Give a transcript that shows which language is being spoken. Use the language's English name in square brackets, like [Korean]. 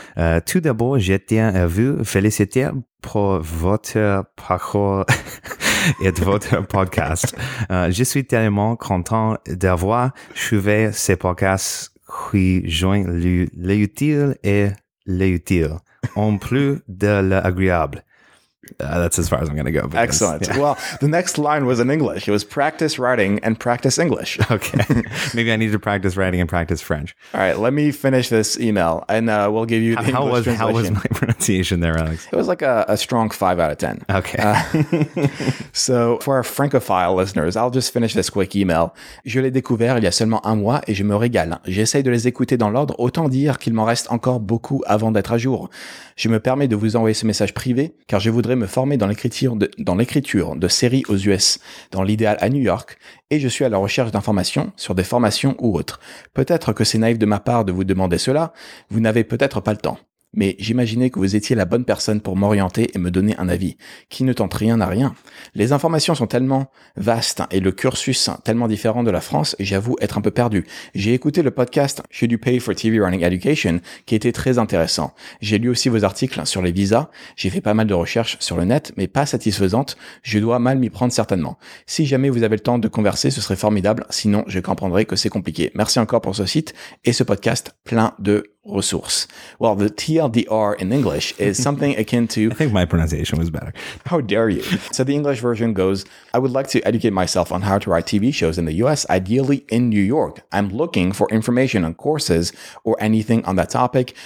[French] Tout d'abord, je tiens à vous féliciter pour votre parcours et votre podcast. Je suis tellement content d'avoir suivi ces podcasts qui joignent l'utile et l'utile, en plus de l'agréable. [English] That's as far as I'm going to go. Because, excellent. Yeah. Well, the next line was in English. It was practice writing and practice English. Okay. Maybe I need to practice writing and practice French. All right. Let me finish this email and we'll give you the English translation. How was my pronunciation there, Alex? It was like a strong 5 out of 10. Okay. So for our francophile listeners, I'll just finish this quick email. [French] Je l'ai découvert il y a seulement un mois et je me régale. J'essaie de les écouter dans l'ordre. Autant dire qu'il m'en reste encore beaucoup avant d'être à jour. Je me permets de vous envoyer ce message privé car je voudrais me former dans l'écriture de séries aux US, dans l'idéal à New York, et je suis à la recherche d'informations sur des formations ou autres. Peut-être que c'est naïf de ma part de vous demander cela, vous n'avez peut-être pas le temps. Mais j'imaginais que vous étiez la bonne personne pour m'orienter et me donner un avis. Qui ne tente rien n'a rien. Les informations sont tellement vastes et le cursus tellement différent de la France, j'avoue être un peu perdu. J'ai écouté le podcast « [English] Should you pay for TV running education [French] » qui était très intéressant. J'ai lu aussi vos articles sur les visas. J'ai fait pas mal de recherches sur le net, mais pas satisfaisantes. Je dois mal m'y prendre certainement. Si jamais vous avez le temps de converser, ce serait formidable. Sinon, je comprendrai que c'est compliqué. Merci encore pour ce site et ce podcast plein de ressource. [English] Well, the TLDR in English is something akin to... I think my pronunciation was better. How dare you? So the English version goes, I would like to educate myself on how to write TV shows in the US, ideally in New York. I'm looking for information on courses or anything on that topic.